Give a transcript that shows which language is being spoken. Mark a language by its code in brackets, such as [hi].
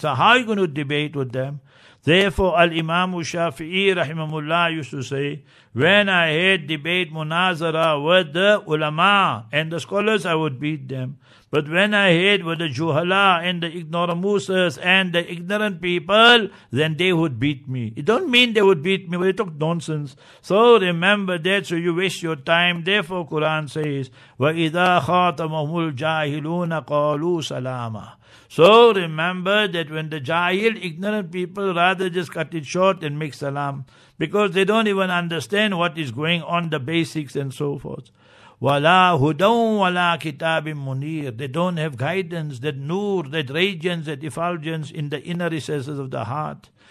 [en] So how are you going to debate with them? Therefore, Al-Imam Shafi'i rahimahullah used to say, when I had debate munazara with the ulama and the scholars, I would beat them. But when I had with the juhala and the ignoramuses and the ignorant people, then they would beat me. It don't mean they would beat me, but they talk nonsense. So remember that, so you waste your time. Therefore, Quran says, [ar] وَإِذَا خَاتَمَهُمُ الْجَاهِلُونَ قَالُوا سَلَامًا. [en] So remember that when the jahil, ignorant people, rather just cut it short and make salam, because they don't even understand what is going on, the basics and so forth. [ar] Wala hudan wala kitabin munir. [en] They don't have guidance, that nur, that radiance, that effulgence in the inner recesses of the heart.